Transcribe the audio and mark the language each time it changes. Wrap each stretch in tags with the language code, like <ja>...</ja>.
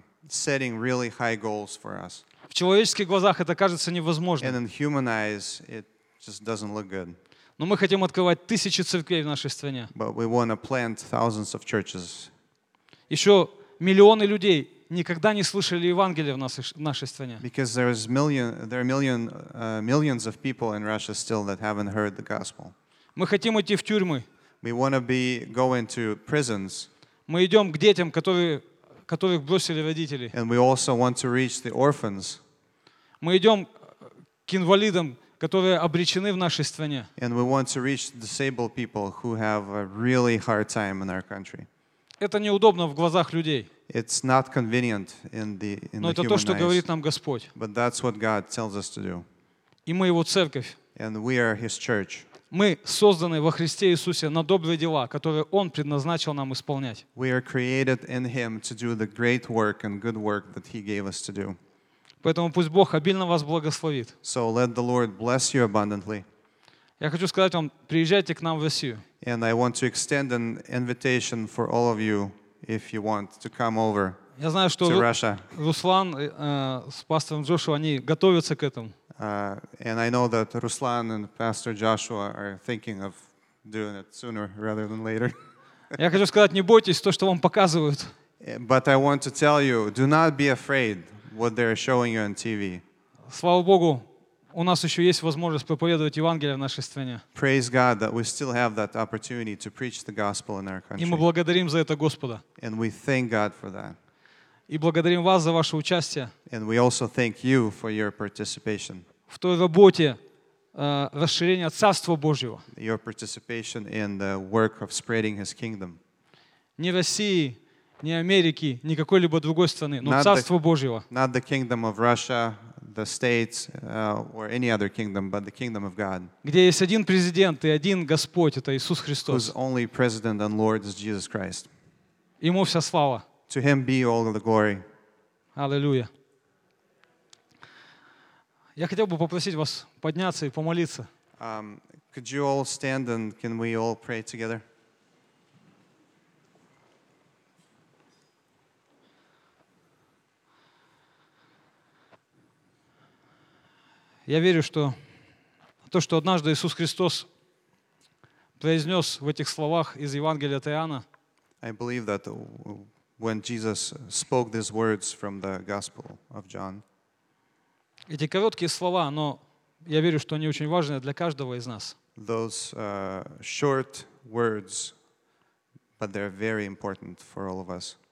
<en>Setting really high goals for us.</en> <ru>В человеческих глазах это кажется невозможным.</ru> <en>And in human eyes, it just doesn't look good.</en> <ru>Но мы хотим открывать тысячи церквей в нашей стране.</ru> <en>But we want to plant thousands of churches.</en> <ru>Еще миллионы людей никогда не слышали Евангелия в нашей стране.</ru> <en>Because there are millions of people in Russia still that haven't heard the gospel.</en> <ru>Мы хотим идти в тюрьмы.</ru> <en>We want to be going to prisons.</en> <ru>Мы идем к детям, которых бросили родители.</ru> <en>And we also want to reach the orphans.</en> <ru>Мы идем к инвалидам, которые обречены в нашей стране.</ru> <en>And we want to reach disabled people who have a really hard time in our country.</en> <ru>Это неудобно в глазах людей.</ru> <en>It's not convenient in the human eyes.</en> <ru>Но это то, что говорит нам Господь.</ru> <en>But that's what God tells us to do.</en> <ru>И мы Его церковь.</ru> <en>And we are His church.</en> <ru>Мы созданы во Христе Иисусе на добрые дела, которые Он предназначил нам исполнять.</ru> <en>We are created in Him to do the great work and good work that He gave us to do.</en> <ru>Поэтому пусть Бог обильно вас благословит.</ru> <en>So let the Lord bless you abundantly.</en> <ru>Я хочу сказать вам, приезжайте к нам в Россию.</ru> <en>And I want to extend an invitation for all of you if you want to come over to Russia.</en> <ru>Я знаю, что Руслан с пастором Джошуа, они готовятся к этому.</ru> <en>And I know that Ruslan and Pastor Joshua are thinking of doing it sooner rather than later.</en> <ru>Я хочу сказать, не бойтесь то, что вам показывают.</ru> <en>But I want to tell you, do not be afraid what they are showing you on TV.</en> <ru>Слава Богу, у нас еще есть возможность проповедовать Евангелие в нашей стране.</ru> <en>Praise God that we still have that opportunity to preach the gospel in our country.</en> <ru>И мы благодарим за это Господа.</ru> <en>And we thank God for that.</en> <ru>И благодарим вас за ваше участие.</ru> <en>And we also thank you for your participation.</en> <ru>В той работе расширения Царства Божьего.</ru> <en>Your participation in the work of spreading His kingdom.</en> <ru>Не России, не Америки, ни какой-либо другой страны, но Царства Божьего.</ru> <en>Not the kingdom of Russia, the states, or any other kingdom, but the kingdom of God.</en> <ru>Где есть один президент и один Господь, это Иисус Христос.</ru> <en>Whose only president and Lord is Jesus Christ.</en> <ru>Ему вся слава.</ru> <en>To Him be all the glory.</en> <ru>Аллилуйя. Я хотел бы попросить вас подняться и помолиться.</ru> <en>Could you all stand and can we all pray together?</en> <ru>Я верю, что то, что однажды Иисус Христос произнес в этих словах из Евангелия от Иоанна,</ru> <en>I believe that when Jesus spoke these words from the Gospel of John.</en> <ru>Эти короткие слова, но я верю, что они очень важны для каждого из нас.</ru> <en>Those short words, but they're very important for all of us.</en>